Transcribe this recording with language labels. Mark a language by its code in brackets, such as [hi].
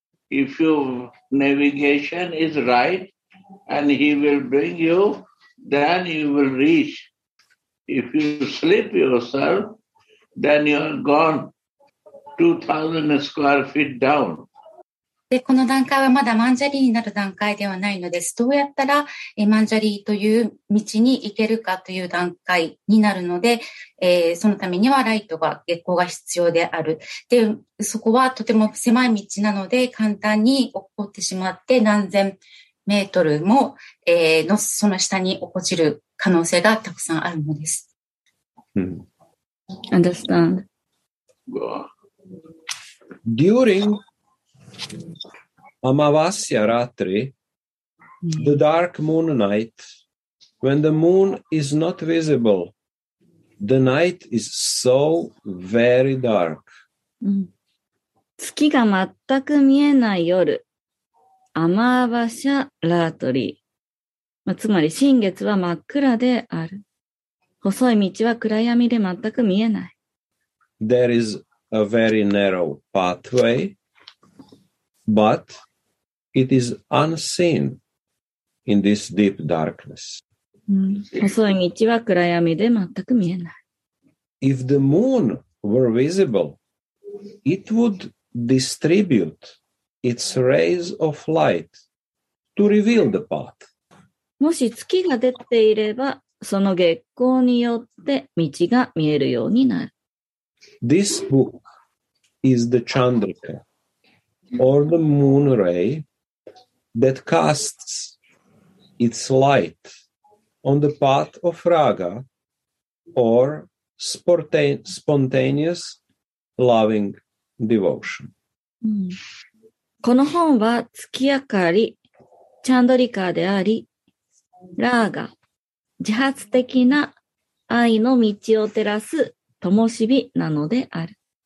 [en] If your navigation is right and he will bring you, then you will reach. If you slip yourself, then you are gone 2,000 square feet down. [ja] で、この段階はまだマンジャリーになる段階ではないのです。どうやったらマンジャリーという道に行けるかという段階になるので、そのためにはライトが、月光が必要である。で、そこはとても狭い道なので、簡単に落っこってしまって何千メートルも、のその下に落っこちる可能性がたくさんあるのです。 [en] うん。Understand. During Amavasya Ratri, the dark moon night, when the moon is not visible, the night is so very dark. [ja] 月が全く見えない夜、Amavasya Ratri、まあ、つまり新月は真っ暗である。細い道は暗闇で全く見えない。 [en] There is a very narrow pathway. But it is unseen in this deep darkness. [ja] 細い道は暗闇で全く見えない。 [en] If the moon were visible, it would distribute its rays of light to reveal the path. [ja] もし月が出ていれば、その月光によって道が見えるようになる。 [en] This book is the Chandrika. Or the moon ray that casts its light on the path of raga or spontaneous loving devotion. [ja] この本は月明かり、チャンドリカーであり、ラーガ、自発的な愛の道を照らす灯火なのである。